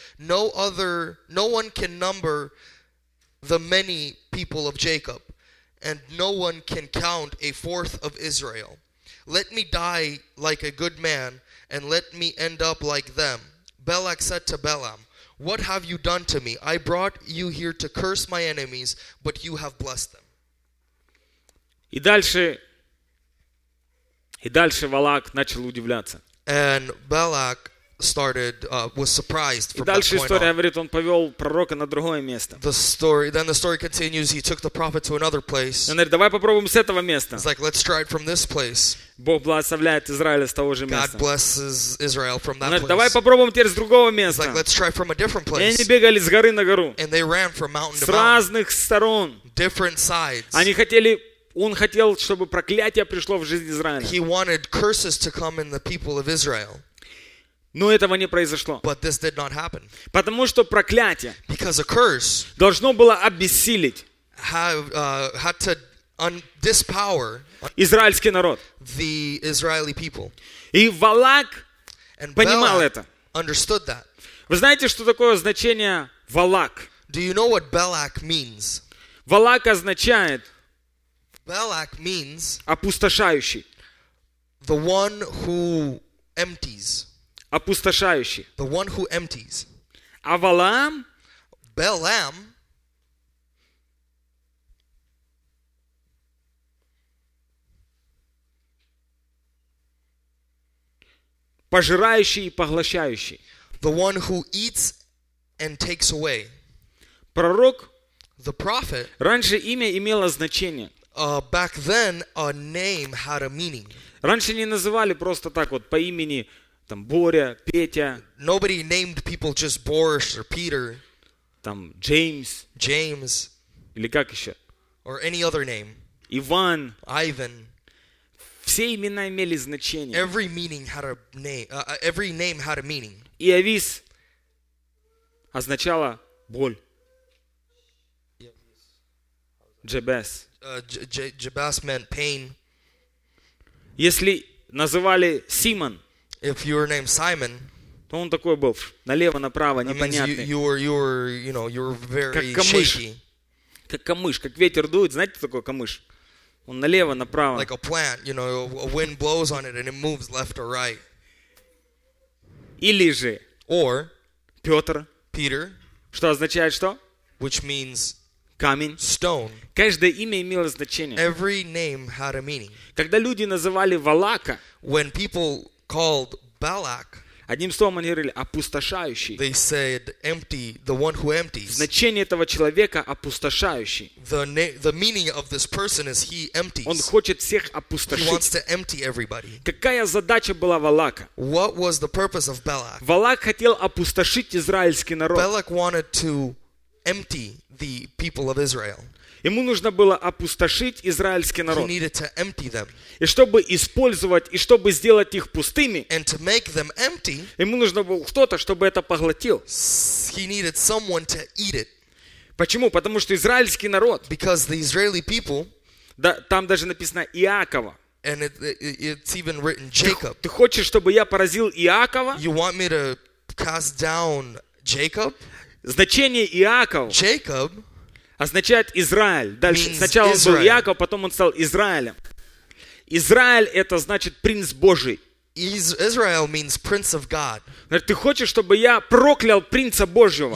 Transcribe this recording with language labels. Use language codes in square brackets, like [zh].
[en] No one can number the many people of Jacob, and no one can count a fourth of Israel. Let me die like a good man, and let me end up like them. Balak said to Balaam, what have you done to me? I brought you here to curse my enemies, but you have blessed them. [ru] И дальше Балак начал удивляться. [en] And Balak started, was surprised from that point on. [ru] И дальше история говорит, он повел пророка на другое место. [en] The story continues, he took the prophet to another place. [ru] Он говорит, давай попробуем с этого места. [en] He's like, let's try it from this place. [ru] Бог благословляет Израиль с того же места. [en] God blesses Israel from that [ru] Говорит, давай попробуем теперь с другого места. [en] He's like, let's try from a different place. [ru] И они бегали с горы на гору. [en] And they ran from mountain to mountain. [ru] С разных сторон. [en] Different sides. [ru] Они хотели... Он хотел, чтобы проклятие пришло в жизнь Израиля. [en] He wanted curses to come in the people of Israel. [ru] Но этого не произошло. [en] But this did not happen. [ru] Потому что проклятие [en] Because a curse [ru] должно было обессилить [en] had to dispower [ru] израильский народ. [en] The Israeli people. [ru] И Валак понимал это. [en] Understood that. [ru] Вы знаете, что такое значение Валак? [en] Do you know what Balak means? [ru] Валак означает [en] Balak means [ru] опустошающий. [en] The one who empties. [ru] Опустошающий. [en] The one who empties. [ru] А Валаам? [en] Balaam. [ru] Пожирающий и поглощающий. [en] The one who eats and takes away. [ru] Пророк. [en] The prophet. [ru] Раньше имя имело значение. [en] Back then, a name had a meaning. [ru] Раньше не называли просто так вот по имени там Боря, Петя. [en] Nobody named people just Boris or Peter. [ru] Там James. [en] James. [ru] Или как еще? [en] Or any other name. [ru] Иван. [en] Ivan. [ru] Все имена имели значение. [en] Every meaning had a name. Every name had a meaning. [ru] Иавис означало боль. Джебес. [en] Jabez meant pain. [ru] Если называли Симон, [en] if you were named Simon, [ru] то он такой был, налево, направо, непонятный. [en] You were very [ru] как камыш, [en] shaky. [ru] Как камыш, как ветер дует, знаете, такой камыш? Он налево, направо. [en] Like a plant, you know, a wind blows on it and it moves left or right. [ru] Или же, [en] or, [ru] Петр, [en] Peter, [ru] что означает что? [en] Which means [ru] камень. [en] Stone. [ru] Каждое имя имело значение. [en] Every name had a meaning. [ru] Когда люди называли Валака, [en] when people called Balak, [ru] одним словом они говорили опустошающий. [en] They said empty, the one who empties. [ru] Значение этого человека опустошающий. [en] The meaning of this person is he empties. [ru] Он хочет всех опустошить. [en] He wants to empty everybody. [ru] Какая задача была Валака? [en] What was the purpose of Balak? [ru] Валак хотел опустошить израильский народ. [en] Balak wanted to empty the people of Israel. [ru] Ему нужно было опустошить израильский народ. [en] He needed to empty them. [ru] И чтобы использовать, и чтобы сделать их пустыми, [en] and to make them empty, [ru] ему нужно было кто-то, чтобы это поглотил. [en] He needed someone to eat it. [ru] Почему? Потому что израильский народ, [en] because the Israeli people, [ru] да, там даже написано Иакова, [en] and it's even written Jacob. [ru] Ты хочешь, чтобы я поразил Иакова? [en] You want me to cast down Jacob? [ru] Значение Иаков [en] Jacob [ru] означает Израиль. Дальше. Сначала он был Иаков, потом он стал Израилем. Израиль это значит принц Божий. [en] Israel means prince of God. [ru] Говорит, ты хочешь, чтобы я проклял принца Божьего?